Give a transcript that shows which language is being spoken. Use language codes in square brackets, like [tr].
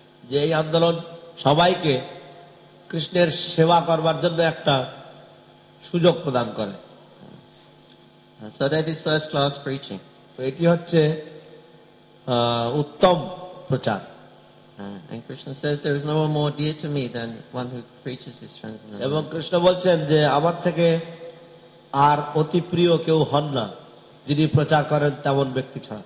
[bn] যে এই আন্দোলন সবাইকে কৃষ্ণের সেবা করবার জন্য একটা সুযোগ প্রদান করে। [en] So that is first class preaching. [bn] এটি হচ্ছে উত্তম প্রচার। [en] And Krishna says there is no one more dear to me than one who preaches his transcendental. [bn] এবং কৃষ্ণ বলছেন যে আমার থেকে আর অতি প্রিয় কেউ হন না যিনি প্রচার করেন তেমন ব্যক্তি